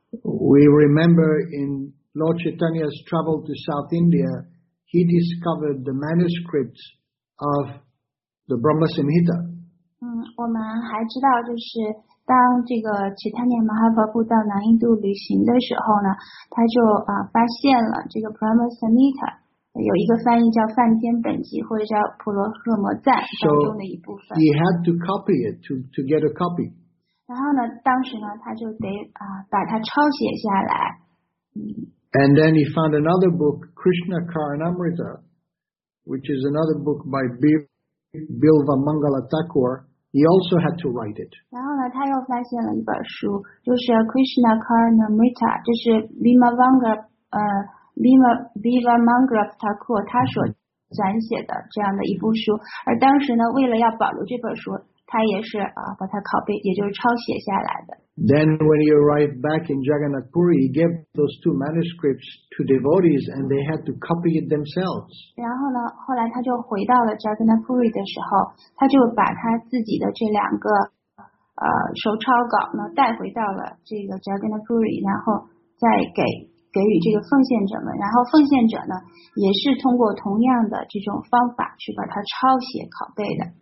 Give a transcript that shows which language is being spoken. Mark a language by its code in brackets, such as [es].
[en] We remember in Lord Chaitanya's travel to South India, he discovered the manuscripts of the Brahma Samhita. [zh] 我们还知道就是当这个齐檀尼马哈佛布到南印度旅行的时候呢，他就发现了这个 Brahma Samhita， 有一个翻译叫梵天本纪或者叫婆罗诃摩赞当中的一部分。 [en] So he had to copy it to get a copy. [zh] 然后呢，当时呢，他就得把它抄写下来。 [en] And then he found another book, Krishna Karanamrita, which is another book by Bilva Mangala Thakur. He also had to write it. [zh] 然后呢，他又发现了一本书，就是 Krishna Karanamrita， 就是 Bilva Mangala Thakur 他所撰写的这样的一部书。而当时呢，为了要保留这本书，他也是把它copy，也就是抄写下来的。 [en] Then when he arrived back in Jagannath Puri, he gave those two manuscripts to devotees and they had to copy it themselves. [zh] 然后呢，后来他就回到了 Jagannath Puri 的时候，他就把他自己的这两个手抄稿呢带回到了这个 Jagannath Puri， 然后再给予这个奉献者们，然后奉献者呢也是通过同样的这种方法去把它抄写拷贝的。